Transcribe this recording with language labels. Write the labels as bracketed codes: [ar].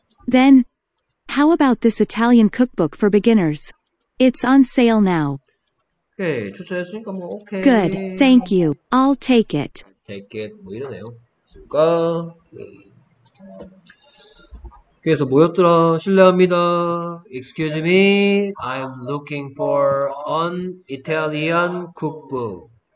[en] Then, how about this Italian cookbook for beginners? It's on sale now. [ko] 오케이, 추천했으니까 뭐 [en] Good, [ko] 오케이. [en] thank you. I'll take it. Take it [ko] 뭐 이러네요. 그니까 그래서 뭐였더라? 실례합니다. [en] Excuse me, I'm looking for an Italian cookbook.